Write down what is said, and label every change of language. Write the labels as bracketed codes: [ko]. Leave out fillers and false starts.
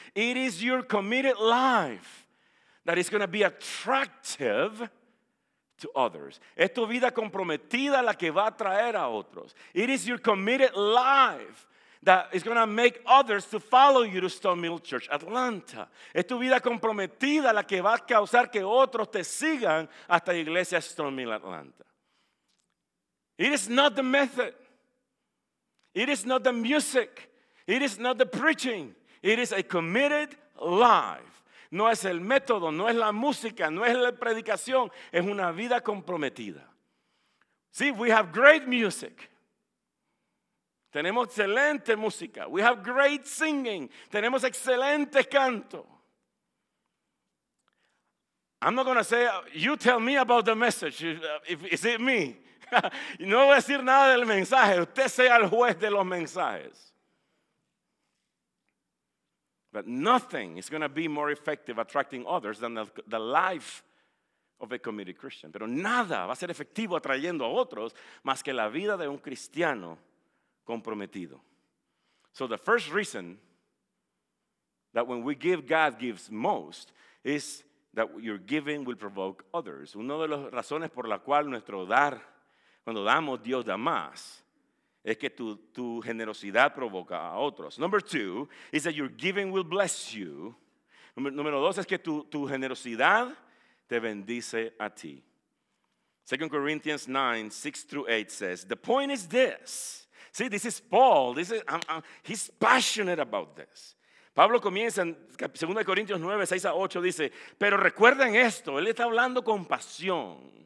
[en] It is your committed life that is going to be attractive to others. [es] Es tu vida comprometida la que va a atraer a otros. [en] It is your committed life that is going to make others to follow you to Stone Mill Church, Atlanta. [es] Es tu vida comprometida la que va a causar que otros te sigan hasta la iglesia Stone Mill, Atlanta. [en] It is not the method. It is not the music. It is not the preaching. It is a committed life. [es] No es el método, no es la música, no es la predicación. Es una vida comprometida. [en] See, we have great music. [es] Tenemos excelente música. [en] We have great singing. [es] Tenemos excelente canto. [en] I'm not going to say, you tell me about the message. Is it me? [es] No voy a decir nada del mensaje. Usted sea el juez de los mensajes. [en] But nothing is going to be more effective attracting others than the life of a committed Christian. [es] Pero nada va a ser efectivo atrayendo a otros más que la vida de un cristiano comprometido. [en] So the first reason that when we give, God gives most is that your giving will provoke others. [es] Una de las razones por la cual nuestro dar, cuando damos, Dios da más, es que tu generosidad provoca a otros. [en] Number two is that your giving will bless you. [es] Número dos es que tu generosidad te bendice a ti. [en] 2 Corinthians 9, 6 through 8 says, the point is this. See, this is Paul. He's passionate about this. [es] Pablo comienza en 2 Corinthians 9, 6 a 8, dice, pero recuerden esto, él está hablando con pasión.